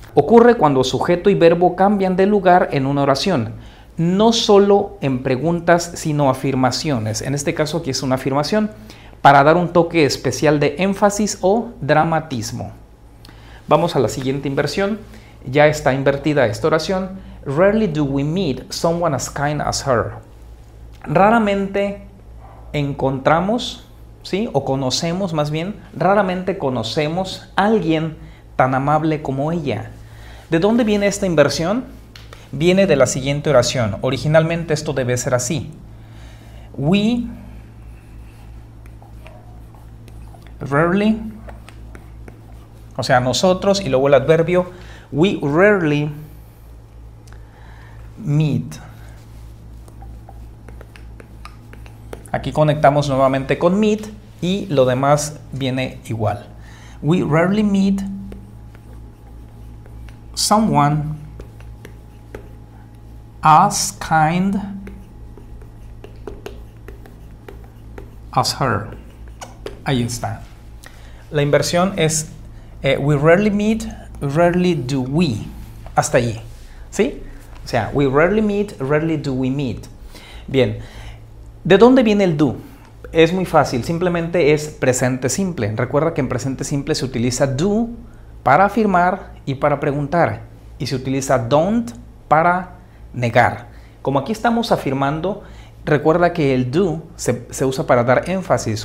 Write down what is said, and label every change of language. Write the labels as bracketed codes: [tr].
[es] Ocurre cuando sujeto y verbo cambian de lugar en una oración, no solo en preguntas, sino afirmaciones. En este caso aquí es una afirmación para dar un toque especial de énfasis o dramatismo. Vamos a la siguiente inversión. Ya está invertida esta oración. [en] Rarely do we meet someone as kind as her. [es] Raramente encontramos, ¿sí? O conocemos, más bien, raramente conocemos a alguien tan amable como ella. ¿De dónde viene esta inversión? Viene de la siguiente oración. Originalmente esto debe ser así. [en] We rarely, [es] o sea, nosotros, y luego el adverbio, [en] we rarely meet. [es] Aquí conectamos nuevamente con meet. Y lo demás viene igual. [en] We rarely meet someone as kind as her. [es] Ahí está. La inversión es [en] we rarely meet, rarely do we. [es] Hasta ahí. ¿Sí? O sea, [en] we rarely meet, rarely do we meet. [es] Bien. ¿De dónde viene el do? Es muy fácil, simplemente es presente simple. Recuerda que en presente simple se utiliza do para afirmar y para preguntar. Y se utiliza don't para negar. Como aquí estamos afirmando, recuerda que el do se usa para dar énfasis.